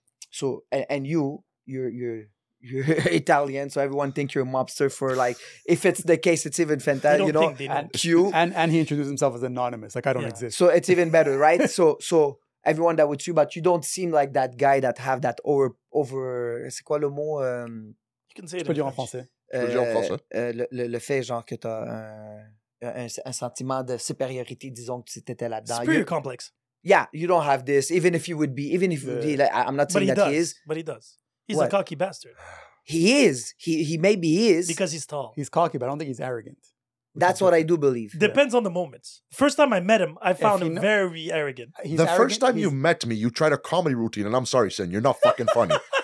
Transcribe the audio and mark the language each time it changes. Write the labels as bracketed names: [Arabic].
[English] So, and you're Italian, so everyone think you're a mobster for, like, if it's the case, it's even fantastic, you know? And he introduced himself as anonymous, like, I don't exist. So it's even better, right? So, everyone that with you, but you don't seem like that guy that have that over. [French] C'est quoi le mot? [English] You can say it. Peux [French] dire en français. Le fait genre que t'as un sentiment de supériorité, disons que tu étais là-dedans. [English] Superior complex. Yeah, you don't have this. Even if you would be, I'm not saying he is. But he does. He's a cocky bastard. He is. He maybe is. Because he's tall. He's cocky, but I don't think he's arrogant. That's what I do believe. Depends on the moment. First time I met him, I found him very arrogant. The first time you met me, you tried a comedy routine, and I'm sorry, Sin, you're not fucking funny.